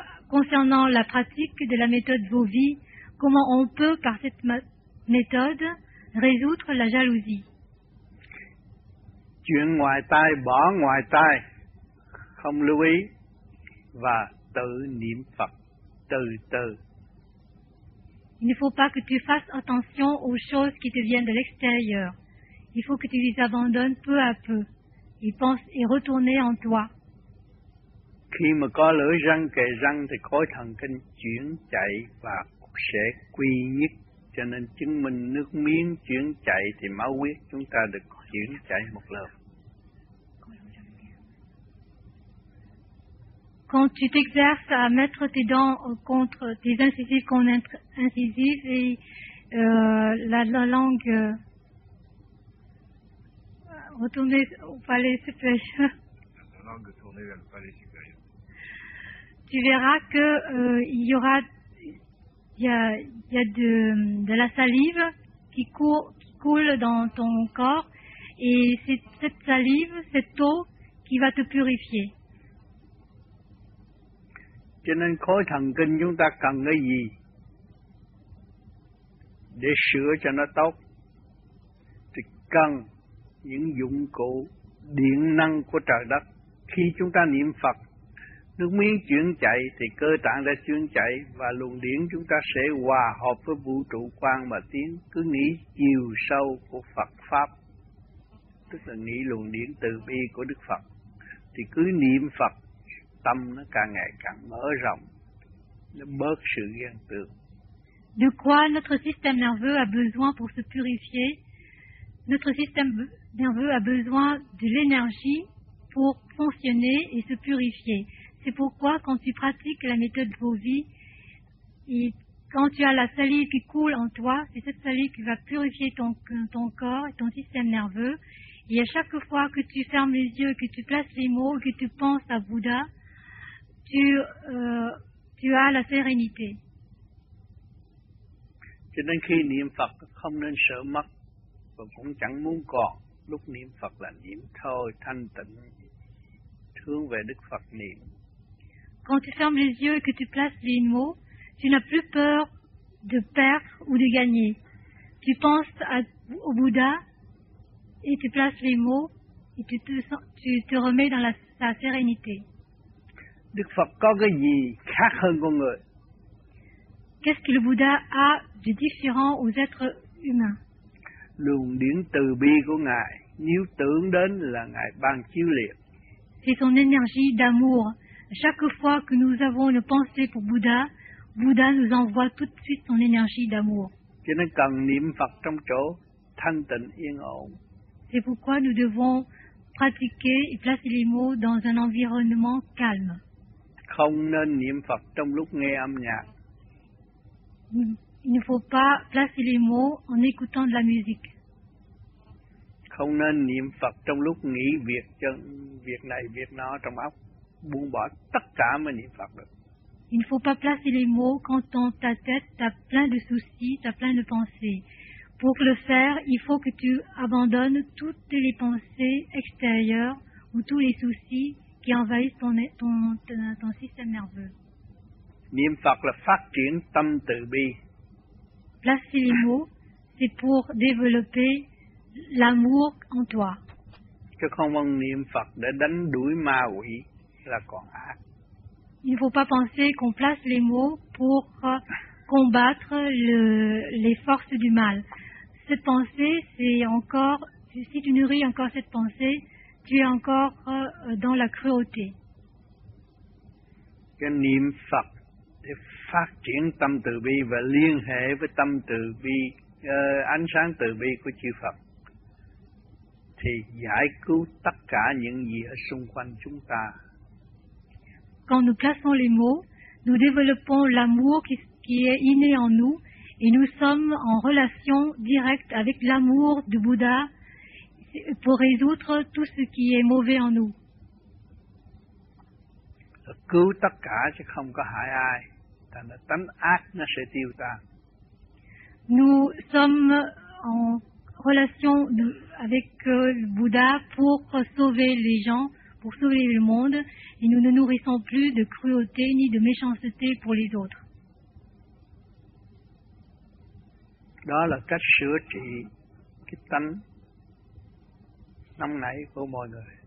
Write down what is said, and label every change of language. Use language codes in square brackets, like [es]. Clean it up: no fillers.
[fr] Concernant la pratique de la méthode vô vi, comment on peut, par cette méthode, résoudre la jalousie? [vi] Chuyện ngoài tai, bỏ ngoài tai, không lưu ý, và tự niệm Phật, từ từ. [fr] Il ne faut pas que tu fasses attention aux choses qui te viennent de l'extérieur. Il faut que tu les abandonnes peu à peu, et pense et retourner en toi. [vi] Khi mà có lưỡi răng kề răng thì khối thần kinh chuyển chạy và sẽ quy nhất, cho nên chứng minh nước miếng chuyển chạy thì máu huyết chúng ta được chuyển chạy một lần. [fr] Quand tu t'exerces à mettre tes dents contre tes incisives et la langue retournée au palais supérieur. La langue tournée vers le palais supérieur. Tu verras que il y a de la salive qui coule dans ton corps, et c'est cette salive, cette eau qui va te purifier. [vi] Cho nên khối thần kinh chúng ta cần cái gì để sửa cho nó tốt, thì cần những dụng cụ điện năng của trời đất. Khi chúng ta niệm Phật, nước miếng chuyển chạy thì cơ tạng đã chuyển chạy và luồng điển chúng ta sẽ hòa hợp với vũ trụ quang mà tiến. Cứ nghĩ chiều sâu của Phật Pháp, tức là nghĩ luồng điển từ bi của Đức Phật, thì cứ niệm Phật, tâm nó càng ngày càng mở rộng, nó bớt sự ghen tương. [fr] De quoi notre système nerveux a besoin pour se purifier? Notre système nerveux a besoin de l'énergie pour fonctionner et se purifier. C'est pourquoi quand tu pratiques la méthode Vovi, et quand tu as la salive qui coule en toi, c'est cette salive qui va purifier ton corps et ton système nerveux. Et à chaque fois que tu fermes les yeux, que tu places les mots, que tu penses à Bouddha, tu as la sérénité. [vi] Cho nên khi niệm Phật không nên sợ mất và cũng chẳng muốn còn. Lúc niệm Phật là niệm thôi, thanh tịnh, thương về Đức Phật niệm. [fr] Quand tu fermes les yeux et que tu places les mots, tu n'as plus peur de perdre ou de gagner. Tu penses au Bouddha et tu places les mots et tu te remets dans sa sérénité. [vi] Đức Phật có cái gì khác hơn con người? [fr] Qu'est-ce que le Bouddha a de différent aux êtres humains? [vi] Luồng điển từ bi của Ngài, nếu tưởng đến là Ngài ban chiếu liệt. [fr] C'est son énergie d'amour. Chaque fois que nous avons une pensée pour Bouddha, Bouddha nous envoie tout de suite son énergie d'amour. C'est pourquoi nous devons pratiquer et placer les mots dans un environnement calme. Il ne faut pas placer les mots en écoutant de la musique. [vi] Không nên niệm Phật trong lúc nghĩ việc chân, việc này, việc nọ trong óc, buông bỏ tất cả mới niệm Phật được. [fr] Il ne faut pas placer les mots quand dans ta tête t'as plein de soucis, t'as plein de pensées. Pour le faire, il faut que tu abandonnes toutes les pensées extérieures ou tous les soucis qui envahissent ton système nerveux. [vi] Niệm Phật là phát triển tâm từ bi. [fr] Placer les mots, c'est pour développer l'amour en toi. [vi] Chứ không vâng niệm Phật để đánh đuổi ma quỷ là còn ác. [fr] Il ne faut pas penser qu'on place les mots pour combattre les forces du mal. Cette pensée, c'est encore, si tu nourris encore cette pensée, tu es encore dans la cruauté. [vi] Cái niệm Phật để phát triển tâm từ bi và liên hệ với tâm từ bi, ánh sáng từ bi của chư Phật, thì giải cứu tất cả những gì ở xung quanh chúng ta. [fr] Quand nous plaçons les mots, nous développons l'amour qui est inné en nous et nous sommes en relation directe avec l'amour du Bouddha pour résoudre tout ce qui est mauvais en nous. [vi] Cứu tất cả chứ không có hại ai, thành là tánh ác nó sẽ tiêu tan. [fr] Nous sommes en relation avec le Bouddha pour sauver les gens, pour sauver le monde, et nous ne nourrissons plus de cruauté ni de méchanceté pour les autres. [vi] Đó là cách sửa trị cái tánh nóng nảy của mọi người.